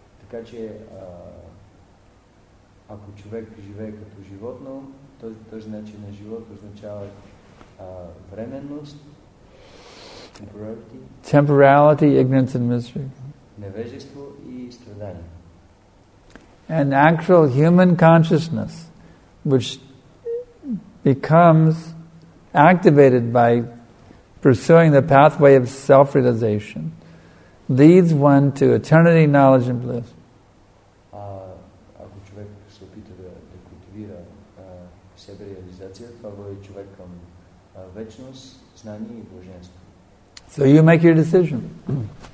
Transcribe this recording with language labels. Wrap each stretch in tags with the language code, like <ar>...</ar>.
<bg>Така че ако човек живее като животно, този начин на живот означава временност,</bg> <en>temporality, ignorance and misery.</en> <bg>Невежество и страдание.</bg> <en>And actual human consciousness, which becomes activated by pursuing the pathway of self-realization, leads one to eternity, knowledge, and bliss.</en> <bg>Ако човек се опита да култивира себе реализация, това води човек към вечност, знание и блаженство.</bg> <en>So you make your decision.</en>